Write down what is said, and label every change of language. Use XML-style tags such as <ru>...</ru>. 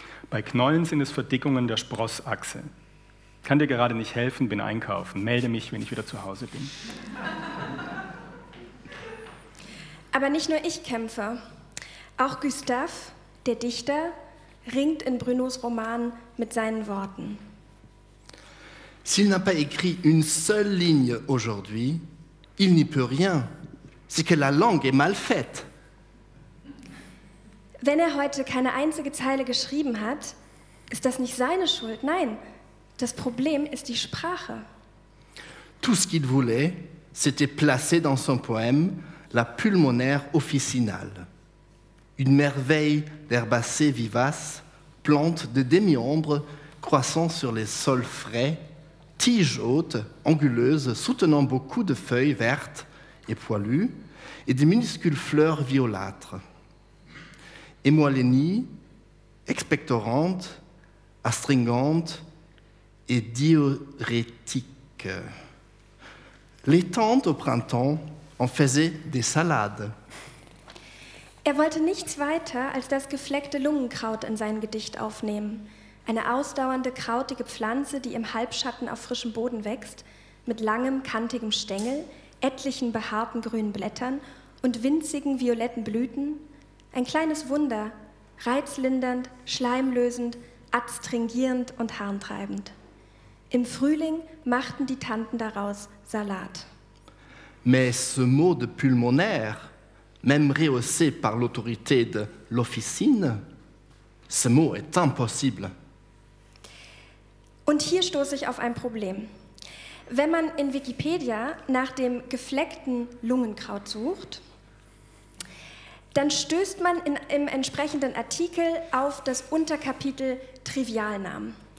<de>Bei Knollen sind es Verdickungen der Sprossachse. Kann dir gerade nicht helfen, bin einkaufen. Melde mich, wenn ich wieder zu Hause bin. Aber nicht nur ich kämpfe. Auch Gustave, der Dichter, ringt in Brunos Roman mit seinen Worten.</de> <fr>S'il n'a pas écrit une seule ligne aujourd'hui, il n'y peut rien. C'est que la langue est mal faite.</fr> <de>Wenn er heute keine einzige Zeile geschrieben hat, ist das nicht seine Schuld. Nein, das Problem ist die Sprache.</de> <fr>Tout ce qu'il voulait, c'était placer dans son poème la pulmonaire officinale. Une merveille d'herbacées vivaces, plante de demi-ombre, croissant sur les sols frais, tige haute, anguleuse, soutenant beaucoup de feuilles vertes et poilues, et des minuscules fleurs violâtres. Émoilénie, expectorante, astringente et diurétique. Les tantes au printemps en faisaient des salades.</fr> <de>Er wollte nichts weiter als das gefleckte Lungenkraut in sein Gedicht aufnehmen. Eine ausdauernde, krautige Pflanze, die im Halbschatten auf frischem Boden wächst, mit langem, kantigem Stängel, etlichen behaarten grünen Blättern und winzigen, violetten Blüten. Ein kleines Wunder, reizlindernd, schleimlösend, adstringierend und harntreibend. Im Frühling machten die Tanten daraus Salat.</de> <fr>Mais ce mot de pulmonaire, même rehaussé par l'autorité de l'officine, ce mot est impossible.</fr> <de>Und hier stoße ich auf ein Problem. Wenn man in Wikipedia nach dem gefleckten Lungenkraut sucht, dann stößt man im entsprechenden Artikel auf das Unterkapitel Trivialnamen.</de>